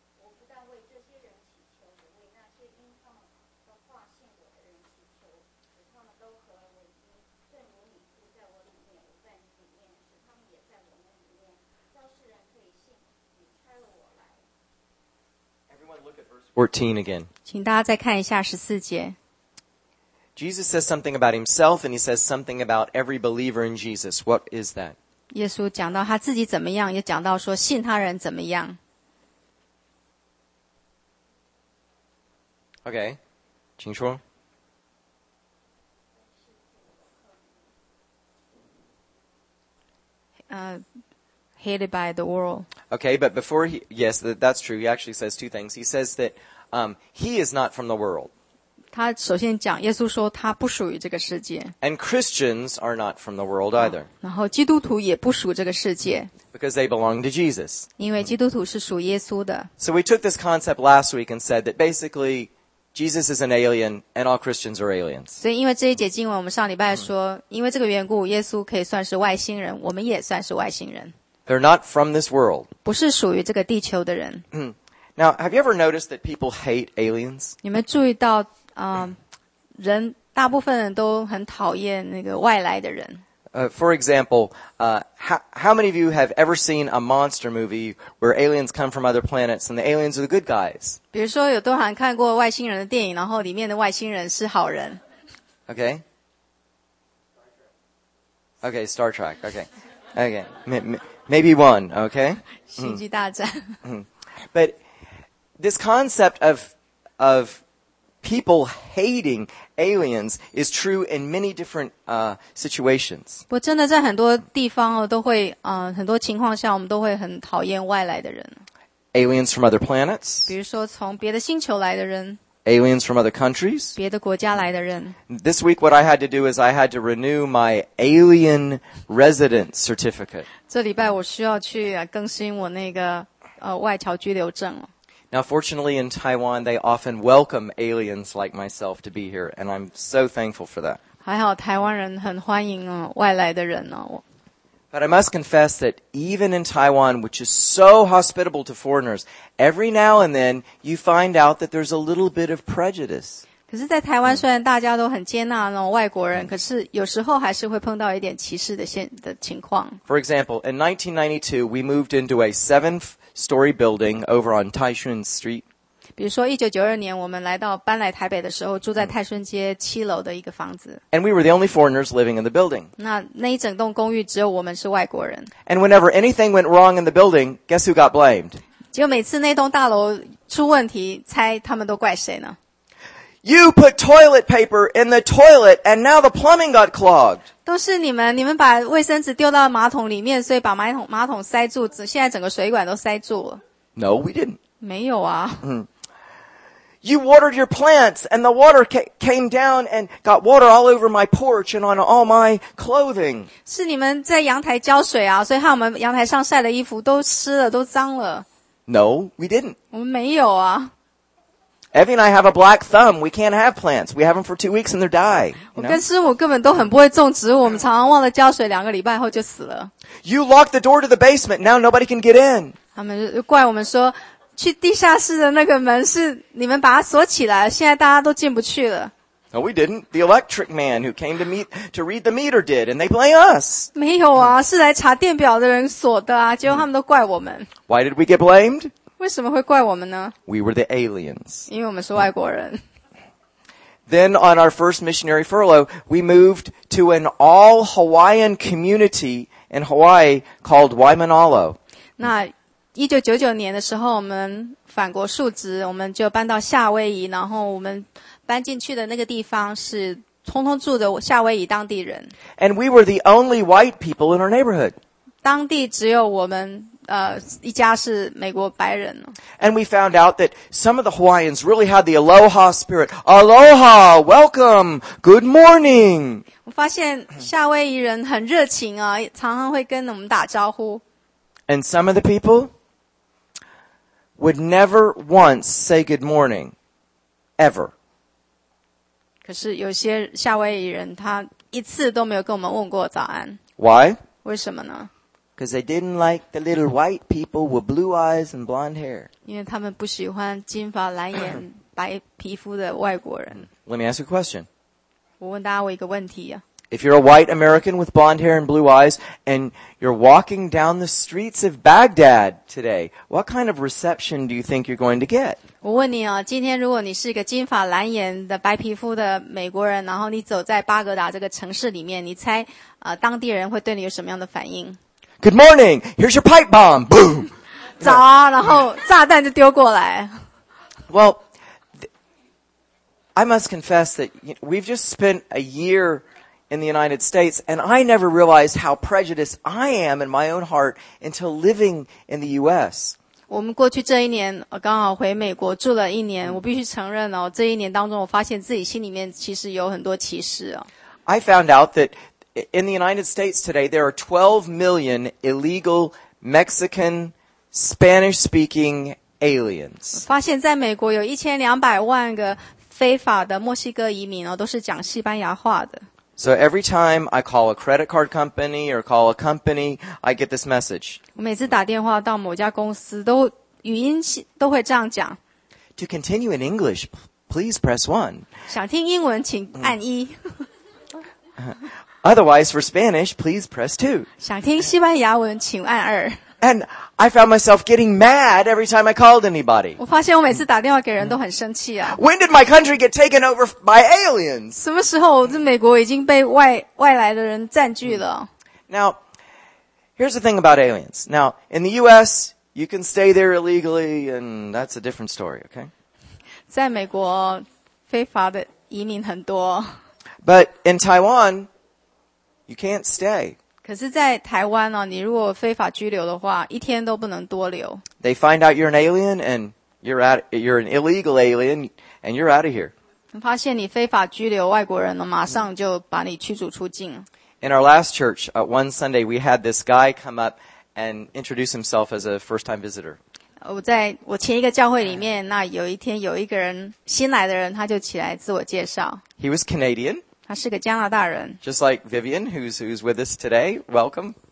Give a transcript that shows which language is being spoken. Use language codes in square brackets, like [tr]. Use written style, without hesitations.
[zh] 我不但为这些人祈求，也为那些因他们的话信我的人祈求，使他们都合而为一，正如你父在我里面，我在你里面，使他们也在我们里面，叫世人可以信你差了我来。 [en] Everyone look at verse 14 again. [zh] 请大家再看一下十四节。 [en] Jesus says something about himself, and he says something about every believer in Jesus. What is that? [zh] 耶稣讲到他自己怎么样，也讲到说信他人怎么样。 Okay, 请说。 [en] Hated by the world. Okay, but before he, yes, that's true. He actually says two things. He says that he is not from the world. [zh] 他首先讲，耶稣说他不属于这个世界。 [en] And Christians are not from the world either. [zh] 然后基督徒也不属这个世界。 [en] Because they belong to Jesus. [zh] 因为基督徒是属耶稣的。 [en] So we took this concept last week and said that basically Jesus is an alien and all Christians are aliens. [zh] 所以因为这一节经文，我们上礼拜说，因为这个缘故，耶稣可以算是外星人，我们也算是外星人。 [en] They're not from this world. [zh] 不是属于这个地球的人。 [en] Now, have you ever noticed that people hate aliens? [zh] 你们注意到，人大部分人都很讨厌那个外来的人。 [en] For example, how many of you have ever seen a monster movie where aliens come from other planets and the aliens are the good guys? [zh] 比如说，有多少人看过外星人的电影，然后里面的外星人是好人 [en] ？Okay. Okay, Star Trek. Okay, okay, maybe one. Okay. [zh] 星际大战。 [en] But this concept of people hating aliens is true in many different situations. [zh] 不，真的在很多地方哦，都会很多情况下，我们都会很讨厌外来的人。 [en] Aliens from other planets. [zh] 比如说，从别的星球来的人。 [en] Aliens from other countries. [zh] 别的国家来的人。 [en] This week, what I had to do is I had to renew my alien resident certificate. [zh] 这礼拜我需要去更新我那个外侨居留证了。 [en] Now, fortunately, in Taiwan, they often welcome aliens like myself to be here, and I'm so thankful for that. [zh] 还好台湾人很欢迎哦，外来的人哦。 [en] But I must confess that even in Taiwan, which is so hospitable to foreigners, every now and then you find out that there's a little bit of prejudice. [zh] 可是在台湾虽然大家都很接纳那外国人，可是有时候还是会碰到一点歧视的情况。 [en] For example, in 1992, we moved into a seven-story building over on Taishun Street. [zh] 比如说1992年我们来到搬来台北的时候住在泰顺街七楼的一个房子。 [en] And we were the only foreigners living in the building. [zh] 那一整栋公寓只有我们是外国人。 [en] And whenever anything went wrong in the building, guess who got blamed? [zh] 结果每次那栋大楼出问题，猜他们都怪谁呢？ [en] You put toilet paper in the toilet and now the plumbing got clogged. [zh] 都是你们把卫生纸丢到马桶里面，所以把马桶塞住，现在整个水管都塞住了。 [en] No, we didn't. [zh] 没有啊。 [en] You watered your plants and the water came down and got water all over my porch and on all my clothing. [zh] 是你们在阳台浇水啊，所以害我们阳台上晒的衣服都湿了，都脏了。 [en] No, we didn't. [zh] 我们没有啊。 [en] Evie and I have a black thumb. We can't have plants. We have them for 2 weeks and they're dying. [zh] 我跟师母根本都很不会种植物，我们常常忘了浇水，两个礼拜后就死了。 [en] You locked the door to the basement. Now nobody can get in. [zh] 他们怪我们说去地下室的那个门是你们把它锁起来，现在大家都进不去了。 [en] No, we didn't. The electric man who came to read the meter did, and they blame us. [zh] 没有啊，是来查电表的人锁的啊，结果他们都怪我们。 [en] Why did we get blamed? [zh] 为什么会怪我们呢？ [en] We were the aliens. [zh] 因为我们是外国人。 [en] Then on our first missionary furlough, we moved to an all-Hawaiian community in Hawaii called Waimanalo. [zh] 那1999年的时候我们返国述职，我们就搬到夏威夷，然后我们搬进去的那个地方是通通住的夏威夷当地人。 [en] And we were the only white people in our neighborhood. [zh] 当地只有我们一家是美国白人。 [en] And we found out that some of the Hawaiians really had the aloha spirit. Aloha, welcome, good morning. [zh] 我发现夏威夷人很热情啊，常常会跟我们打招呼。 [en] And some of the people would never once say good morning, ever. [zh] 可是有些夏威夷人他一次都没有跟我们问过早安。 [en] Why? [zh] 为什么呢？ [en] Because they didn't like the little white people with blue eyes and blonde hair. [zh] 因为他们不喜欢金发蓝眼白皮肤的外国人。 [en] Let me ask you a question. [zh] 我问大家一个问题啊。 [en] If you're a white American with blonde hair and blue eyes, and you're walking down the streets of Baghdad today, what kind of reception do you think you're going to get? [zh] 我问你啊，今天如果你是一个金发蓝眼的白皮肤的美国人，然后你走在巴格达这个城市里面，你猜当地人会对你有什么样的反应？ [en] Good morning. Here's your pipe bomb. Boom. [zh] 早啊，然后炸弹就丢过来。 [en] Well, I must confess that we've just spent a year in the United States, and I never realized how prejudiced I am in my own heart until living in the U.S. [zh] 我们过去这一年刚好回美国住了一年，我必须承认哦，这一年当中我发现自己心里面其实有很多歧视哦。 [en] I found out that. In the United States today, there are 12 million illegal Mexican Spanish-speaking aliens. [zh] 发现在美国有1200万个非法的墨西哥移民哦，都是讲西班牙话的。 [en] So every time I call a credit card company or call a company, I get this message. [zh] 我每次打电话到某家公司都语音都会这样讲。 [en] To continue in English, please press 1. [zh] 想听英文请按一。 [en] Otherwise, for Spanish, please press 2. [zh] 想听西班牙文请按二。 [en] And I found myself getting mad every time I called anybody. [zh] 我发现我每次打电话给人都很生气啊。 [en] When did my country get taken over by aliens? [zh] 什么时候这美国已经被外来的人占据了？ [en] Now, here's the thing about aliens. Now, in the US, you can stay there illegally, and that's a different story, okay? [zh] 在美国，非法的移民很多。 [en] But in Taiwan, you can't stay. [zh] 可是在台湾啊，你如果非法拘留的话，一天都不能多留。 [en] They find out you're an alien and you're an illegal alien and you're out of here. [zh] 发现你非法拘留外国人了，马上就把你驱逐出境。 [en] In our last church, one Sunday, we had this guy come up and introduce himself as a first-time visitor. [zh] 我前一个教会里面，那有一天有一个人新来的人，他就起来自我介绍。 [en] He was Canadian. [zh] 他是个加拿大人。 [en] Just like Vivian, who's with us today, welcome.